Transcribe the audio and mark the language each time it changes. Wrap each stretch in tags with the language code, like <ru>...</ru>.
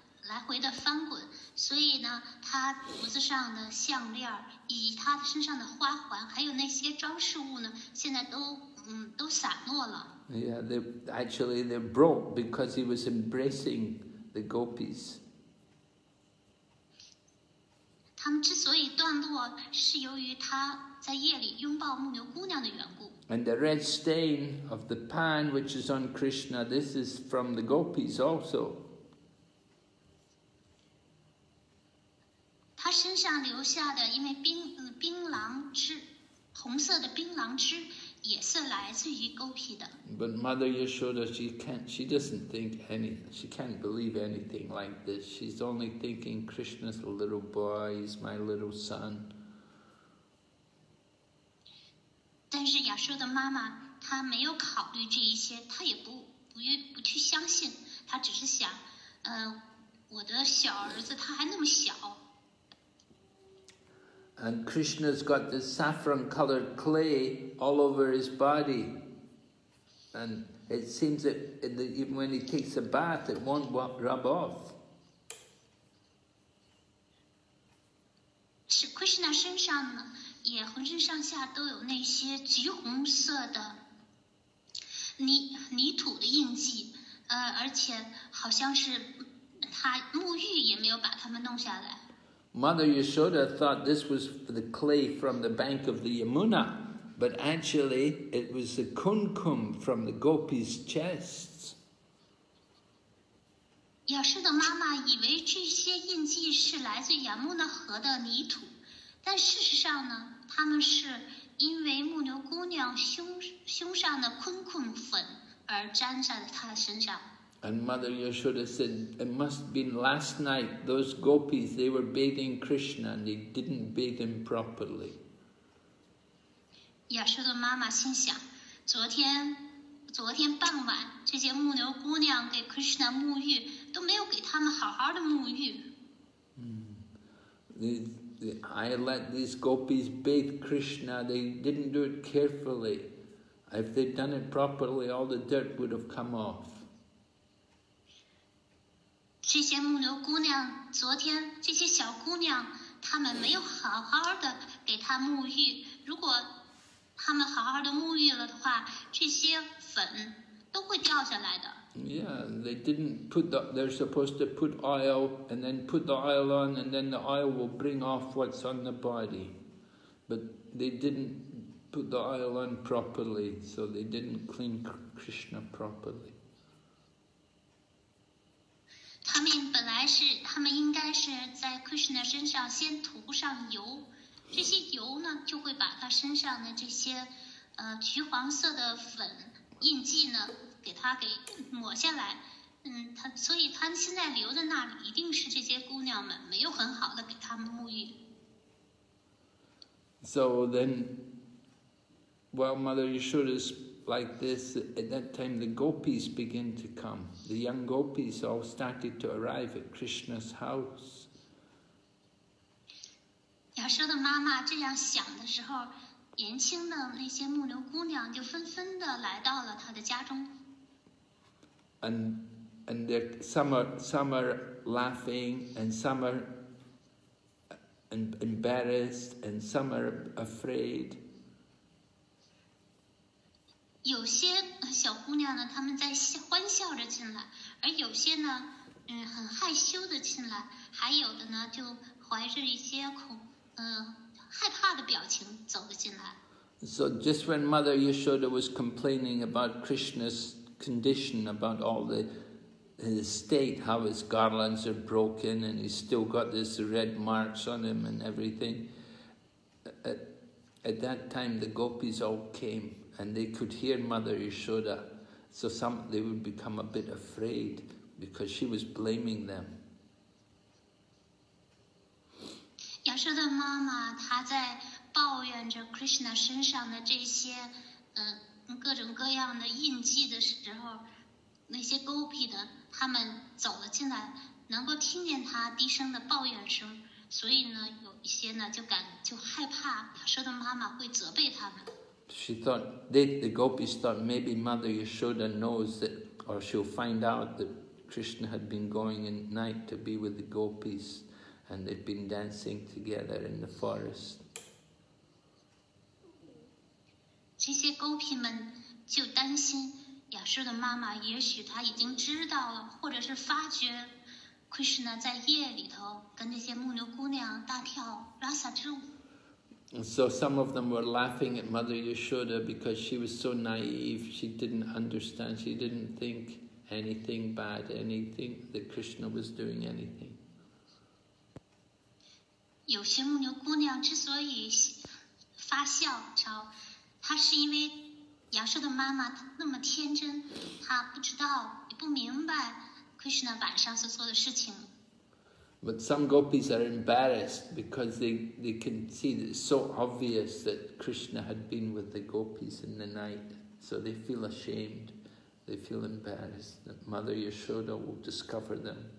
<zh>来回的翻滚，所以呢，他脖子上的项链，以他身上的花环，还有那些装饰物呢，现在都散落了。</zh> <en>Yeah, they're broke because he was embracing the gopis.</en> <zh>他们之所以断落，是由于他在夜里拥抱牧牛姑娘的缘故。</zh> <en>And the red stain of the pan which is on Krishna, this is from the gopis also.</en> <zh>他身上留下的，因为槟榔汁，红色的槟榔汁也是来自于勾皮的。</zh> <en>But Mother Yashoda, she doesn't think any, she can't believe anything like this. She's only thinking Krishna's a little boy, he's my little son.</en> <zh>但是亚修的妈妈，她没有考虑这一些，她也不去相信，她只是想，我的小儿子他还那么小。</zh> <en>And Krishna's got this saffron-colored clay all over his body. And it seems that even when he takes a bath, it won't rub off.</en> <zh>Krishna 身上呢，也浑身上下都有那些橘红色的泥土的印记，而且好像是他沐浴也没有把它们弄下来。</zh> <en>Mother Yashoda thought this was the clay from the bank of the Yamuna, but actually it was the kumkum from the gopis' chests.</en> <zh>Yashoda 妈妈以为这些印记是来自亚穆纳河的泥土，但事实上呢，他们是因为牧牛姑娘胸上的kumkum粉而沾在了她的身上。</zh> <en>And Mother Yashoda said, it must have been last night, those gopis, they were bathing Krishna and they didn't bathe him properly.</en> <zh>Yashoda 妈妈心想，昨天傍晚，这些牧牛姑娘给 Krishna 沐浴，都没有给他们好好的沐浴。</zh> <en>I let these gopis bathe Krishna, they didn't do it carefully. If they'd done it properly, all the dirt would have come off.</en> <zh>这些牧牛姑娘昨天，这些小姑娘，她们没有好好的给她沐浴。如果她们好好的沐浴了的话，这些粉都会掉下来的。</zh> <en>Yeah, they didn't put the. They're supposed to put oil and then put the oil on, and then the oil will bring off what's on the body. But they didn't put the oil on properly, so they didn't clean Krishna properly.</en> <zh>他们本来是，他们应该是在 Krishna 身上先涂上油，这些油呢就会把他身上的这些，橘黄色的粉印记呢给他给抹下来，所以他现在留在那里，一定是这些姑娘们没有很好的给他们沐浴。</zh> <en>So then, while Mother Yashoda is like this, at that time the gopis begin to come. The young gopis all started to arrive at Krishna's house.</en> <zh>Yashoda 妈妈这样想的时候，年轻的那些牧牛姑娘就纷纷的来到了她的家中。</zh> <en>And some are laughing, and some are embarrassed, and some are afraid.</en> <zh>有些小姑娘呢，她们在欢笑着进来，而有些呢，很害羞的进来，还有的呢，就怀着一些害怕的表情走了进来。</zh> <en>So just when Mother Yashoda was complaining about Krishna's condition, about all the state, how his garlands are broken and he's still got this red marks on him and everything, at that time the gopis all came.And they could hear Mother Yashoda So some they would become a bit afraid because she was blaming them.</en> <zh>亚瑟的妈妈她在抱怨着 Krishna 身上的这些各种各样的印记的时候，那些 Gopi 的他们走了进来，能够听见她低声的抱怨声，所以呢，有一些呢就害怕亚瑟的妈妈会责备他们。</zh> <en>She thought, the gopis thought, maybe Mother Yashoda knows that, or she'll find out that Krishna had been going at night to be with the gopis, and they'd been dancing together in the forest. These gopis</en> <zh>们就担心亚瑟的妈妈，也许她已经知道了，或者是发觉 Krishna 在夜里头跟那些牧牛姑娘大跳 Rasa 之舞。</zh> <en>And so some of them were laughing at Mother Yashoda because she was so naive, she didn't understand, she didn't think anything bad, anything that Krishna was doing anything.</en> <zh>有些牧牛姑娘之所以发笑，她是因为亚瑟的妈妈那么天真，她不知道，也不明白 Krishna 晚上所做的事情。</zh> <en>But some gopis are embarrassed because they can see that it's so obvious that Krishna had been with the gopis in the night. So they feel ashamed, they feel embarrassed that Mother Yashoda will discover them.</en>